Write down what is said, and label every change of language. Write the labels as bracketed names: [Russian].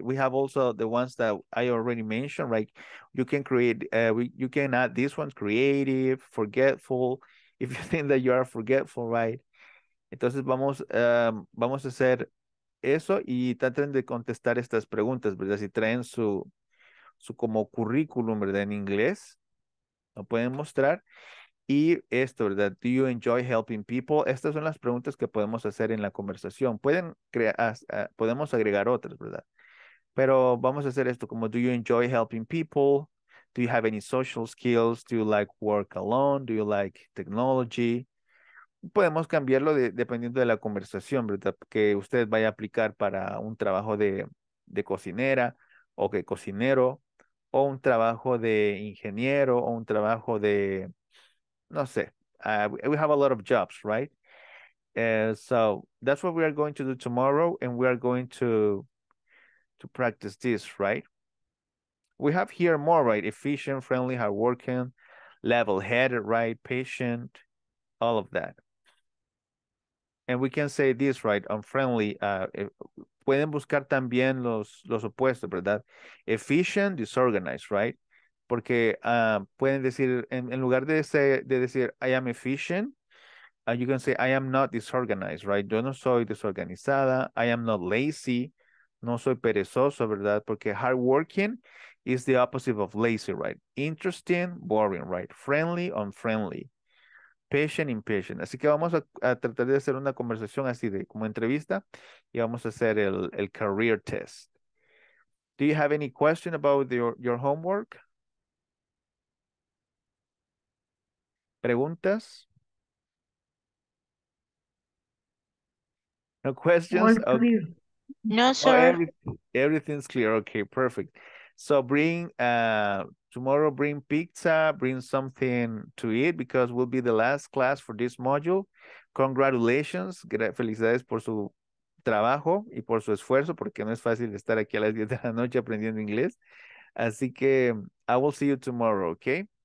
[English] We have also the ones that I already mentioned, right? You can create, you can add this one, creative, forgetful, if you think that you are forgetful, right? [Spanish] Entonces vamos a hacer eso y traten de contestar estas preguntas, ¿verdad? Si traen su como currículum, ¿verdad? En inglés, lo pueden mostrar. Y esto, ¿verdad? [English] Do you enjoy helping people? [Spanish] Estas son las preguntas que podemos hacer en la conversación. Podemos agregar otras, ¿verdad? Pero vamos a hacer esto como, [English] do you enjoy helping people? Do you have any social skills? Do you like work alone? Do you like technology? [Spanish] Podemos cambiarlo dependiendo de la conversación, ¿verdad? Que usted vaya a aplicar para un trabajo de cocinera o que cocinero, o un trabajo de ingeniero, o un trabajo de, no sé, [English] we have a lot of jobs, right? So that's what we are going to do tomorrow, and we are going to practice this, right? We have here more, right? Efficient, friendly, hardworking, level-headed, right? Patient, all of that. And we can say this, right? Unfriendly. [Spanish] Pueden buscar también los opuestos, ¿verdad? [English] Efficient, disorganized, right? [Spanish] Porque pueden decir, en lugar de decir, [English] I am efficient, you can say, I am not disorganized, right? [Spanish] Yo no soy desorganizada. [English] I am not lazy. [Spanish] No soy perezoso, ¿verdad? [English] Porque hardworking is the opposite of lazy, right? Interesting, boring, right? Friendly, unfriendly. patient, impatient. [Spanish] Así que vamos a tratar de hacer una conversación así de como entrevista y vamos a hacer el career test. [English] Do you have any question about your homework? [Spanish] ¿Preguntas? [English] No questions? All clear. Okay. No, sir. Oh, everything's clear. Okay, perfect. So bring, tomorrow bring pizza, bring something to eat because we'll be the last class for this module. Congratulations. [Spanish] Felicidades por su trabajo y por su esfuerzo porque no es fácil estar aquí a las 10 de la noche aprendiendo inglés. Así que [English] I will see you tomorrow, okay?